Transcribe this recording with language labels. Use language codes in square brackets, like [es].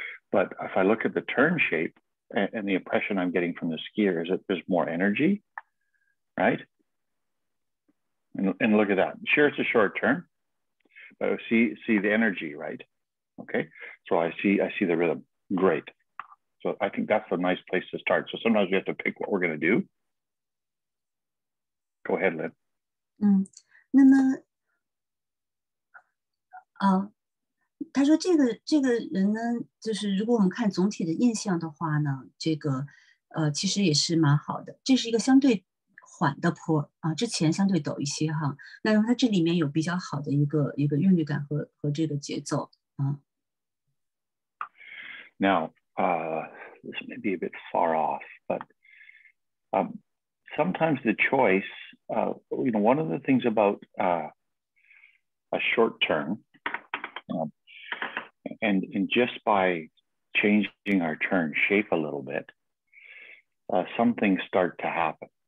[en] But if I look at the turn shape and the impression I'm getting from the skier is that there's more energy, right? And look at that. Sure, it's a short turn, but see the energy, right? Okay, so I see the rhythm. Great. So I think that's a nice place to start. So sometimes we have to pick what we're going to do. Go ahead, Lynn. [zh] 那么，他说这个人呢，就是如果我们看总体的印象的话呢，这个其实也是蛮好的。这是一个相对缓的坡之前相对陡一些哈。那么他这里面有比较好的一个韵律感和这个节奏。 [en] Now, this may be a bit far off, but sometimes the choice, you know, one of the things about a short turn, and just by changing our turn shape a little bit, some things start to happen.